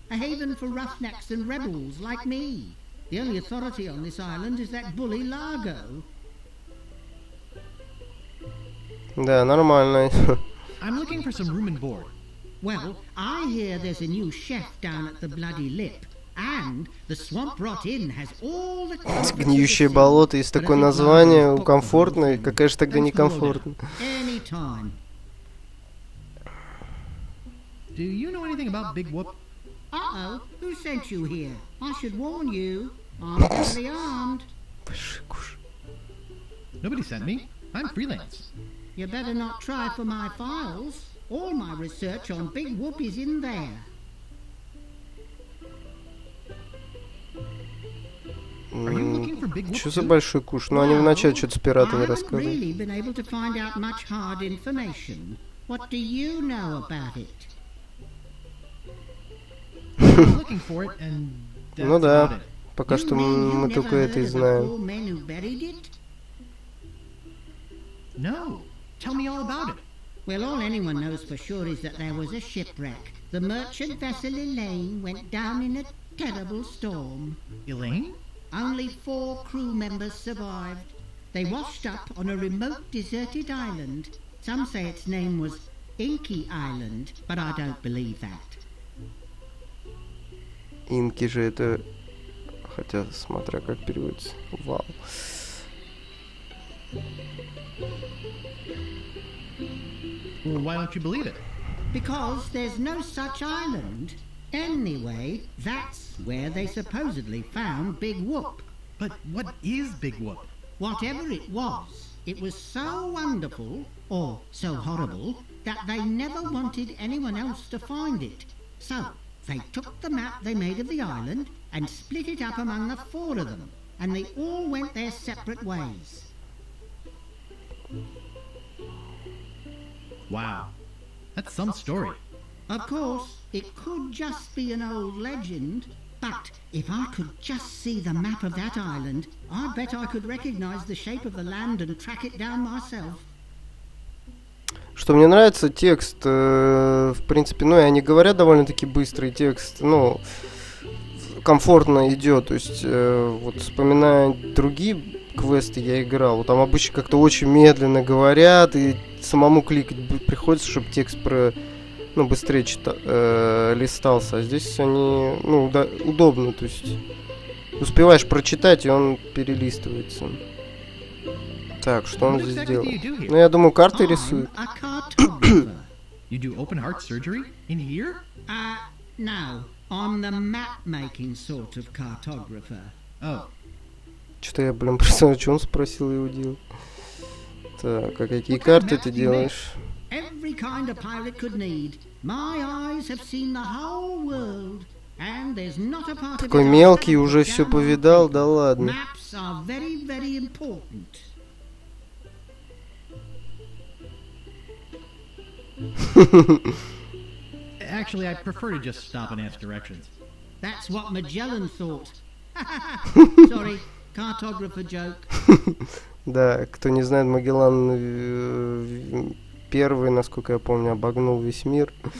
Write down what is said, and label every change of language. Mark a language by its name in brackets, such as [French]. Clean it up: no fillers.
[English] A haven for roughnecks and rebels like me. The only authority on this island is that bully Largo. [Russian] Да, нормально. [English] I'm looking for some room and board. Well, I hear there's a new chef down at the Bloody Lip. And the Swamp Rot Inn has all the... [Russian] Гниющее болото, есть такое название, комфортно, какая же тогда некомфортно. [English] Anytime. Do you know anything about Big Whoop? Uh-oh, who sent you here? I should warn you, I'm fully armed. Nobody sent me, I'm freelance. You better not try for my files. All my research on Big Whoop is in there. [Russian] Что за большой куш? Ну, они вначале что-то с пиратами рассказывали. Ну да, пока что мы только это и знаем. [English] No, tell me all about it. Well, all anyone knows for sure is that there was a shipwreck. The merchant vessel Elaine went down in a terrible storm. Elaine? Only 4 crew members survived. They washed up on a remote deserted island. Some say its name was Inky Island, but I don't believe that. [Russian] Инки же это... Хотя, смотря как переводится. Вау. [English] Well, why don't you believe it? Because there's no such island. Anyway, that's where they supposedly found Big Whoop. But what is Big Whoop? Whatever it was so wonderful, or so horrible, that they never wanted anyone else to find it. So, they took the map they made of the island and split it up among the 4 of them, and they all went their separate ways. Wow, that's some story. Of course, it could just be an old legend, But if I could just see the map of that island, I bet I could recognize the shape of the land and track it down myself. [Russian] Что мне нравится, текст, в принципе, ну и они говорят довольно-таки быстро, и текст, ну, комфортно идет, то есть, вот вспоминая другие квесты я играл, вот там обычно как-то очень медленно говорят, и самому кликать приходится, чтобы текст про, ну, быстрее листался, а здесь они, ну, удобно, то есть, успеваешь прочитать, и он перелистывается. Так, что он здесь делает? Ну, я думаю, карты рисует. [English] You do open heart surgery in here? No, I'm the map making sort of cartographer. Oh. [Russian] Что-то я, блин, просто о чем спросил и удил. Так, а какие карты ты делаешь? [English] Every kind of pirate could need. My eyes have seen the whole world. And there's not a part of it. [Russian] Такой мелкий, уже все повидал, да ладно. [English] Maps are very, very important. Actually, I prefer to just stop and ask directions. That's what Magellan thought. Sorry, cartographer joke. [Russian] Да, кто не знает, Магеллан первый, насколько я помню, обогнул весь мир.